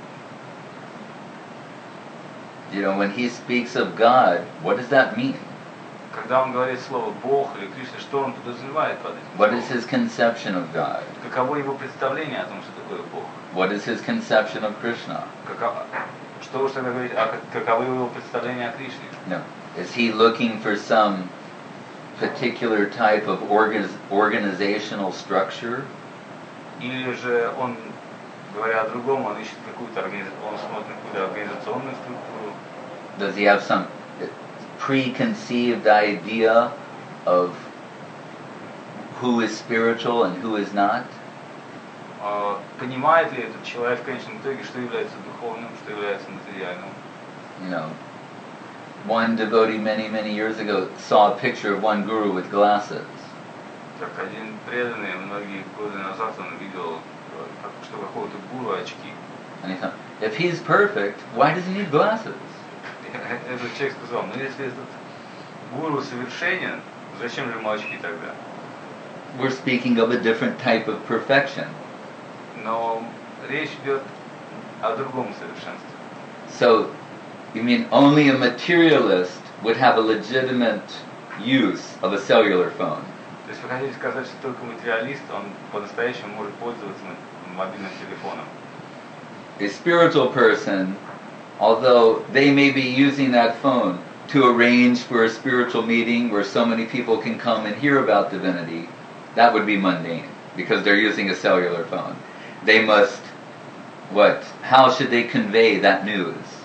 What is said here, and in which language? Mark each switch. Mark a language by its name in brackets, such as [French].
[English] When he speaks of God, what does that mean? [Russian] Когда он говорит слово Бог или Кришна, что он подразумевает под этим? [English] What is his conception of God? [Russian] Каково его представление о том, что такое Бог? [English] What is his conception of Krishna? [Russian] Каково его представление о Кришне? [English] No. Is he looking for some particular type of organizational structure? [Russian] Или же он, говоря о другом, он ищет какую-то он смотрит какую-то организационную структуру? [English] Does he have some preconceived idea of who is spiritual and who is not? [Russian] Понимает ли этот человек в конечном итоге, что является духовным, что является материальным? [English] No. One devotee many, many years ago saw a picture of one guru with glasses. [Russian] Так один преданный многие годы назад он видел, что какого-то гуру очки. [English] And he thought, if he's perfect, why does he need glasses? [Russian] Этот человек сказал, если этот гуру совершенен, зачем же ему очки тогда? [English] We're speaking of a different type of perfection. [Russian] Но речь идет о другом совершенстве. [English] So, you mean only a materialist would have a legitimate use of a cellular phone? [Russian] То есть вы хотите сказать, что только материалист, он по-настоящему может пользоваться мобильным телефоном? [English] A spiritual person, although they may be using that phone to arrange for a spiritual meeting where so many people can come and hear about divinity, that would be mundane, because they're using a cellular phone. They must, what, how should they convey that news?